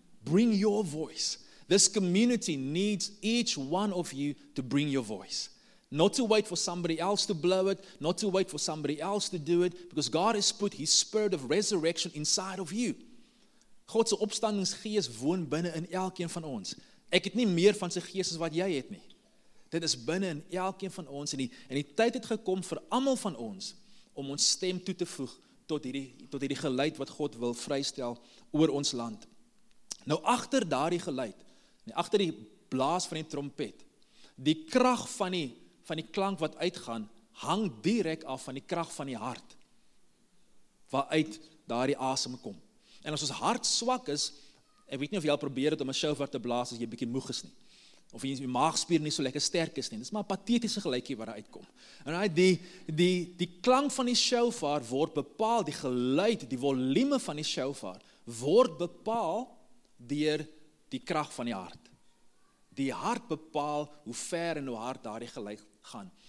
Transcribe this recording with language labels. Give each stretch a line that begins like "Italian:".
English: Bring your voice. This community needs each one of you to bring your voice. Not to wait for somebody else to blow it, not to wait for somebody else to do it, because God has put His Spirit of resurrection inside of you.
Afrikaans: God se opstandingsgees woon binne in elkeen van ons. Ek het nie meer van sy gees as wat jy het nie. Dit is binne in elkeen van ons en die tyd het gekom vir almal van ons om ons stem toe te voeg tot hierdie geluid wat God wil vrystel oor ons land. Nou agter daardie geluid, agter die blaas van die trompet, die krag van die klank wat uitgaan, hang direk af van die krag van die hart waaruit daardie asem kom. En as ons hart swak is, ek weet nie of jy al probeer het om 'n shofar te blaas as jy bietjie moeg is nie. Of jy maagspier nie so lekker sterk is nie. Dis maar 'n patetiese geluidjie wat daar uitkom. En die klank van die shofar word bepaal, die geluid, die volume van die shofar word bepaal deur die krag van die hart. Die hart bepaal hoe ver en hoe hard daardie geluid gaan.